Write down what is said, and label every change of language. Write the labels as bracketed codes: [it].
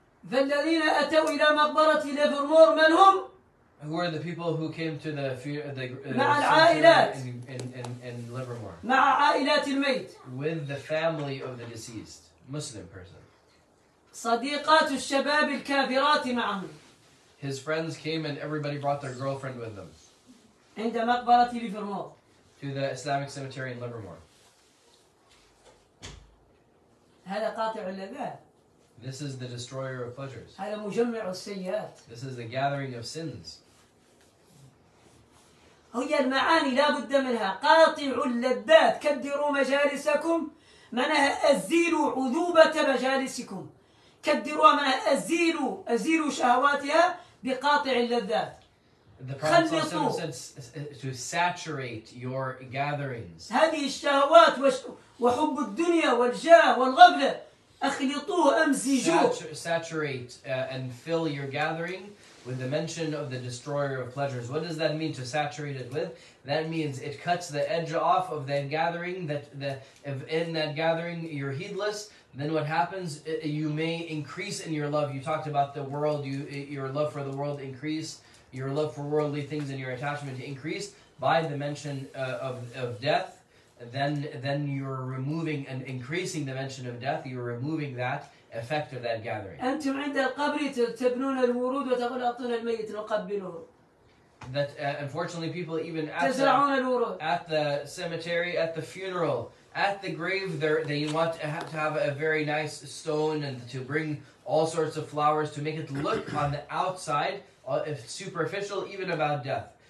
[ar] فالذين أتوا إلى مقبرة ليفرمور من هم؟ [en] Who are the people who came to the [ar] مع العائلات [en] in Livermore [ar] مع عائلات الميت [en] with the family of the deceased Muslim person [ar] صديقات الشباب الكافرات معهم [en] his friends came and everybody brought their girlfriend with them [ar] عند مقبرة ليفرمور [en] to the Islamic cemetery in Livermore [ar] هذا قاطع اللذات [en] This is the destroyer of pleasures. [ar] هذا مجمع السيئات. [en] This is the gathering of sins. [ar] هي المعاني لا بد منها. قاطع اللذات كدروا مجالسكم منها أزيلوا عذوبة مجالسكم كدروا منها أزيلوا شهواتها بقاطع اللذات. [en] The Prophet said to saturate your gatherings. [ar] هذه الشهوات وحب الدنيا والجاه والغفلة. أخلطوه أمزجوه. [en] Saturate and fill your gathering with the mention of the destroyer of pleasures. What does that mean to saturate it with? That means it cuts the edge off of that gathering. That the if in that gathering you're heedless. Then what happens? You may increase in your love. You talked about the world. Your love for the world increase. Your love for worldly things and your attachment to increase by the mention of death. Then you're removing and increasing the mention of death. You're removing that effect of that gathering. [ar] أنتم عند القبر تبنون الورود وتقول أعطونا الميت نقبله. [en] That unfortunately, people even at the cemetery, at the funeral, at the grave, they want to have a very nice stone and to bring all sorts of flowers to make it look on the outside, if superficial, even about death.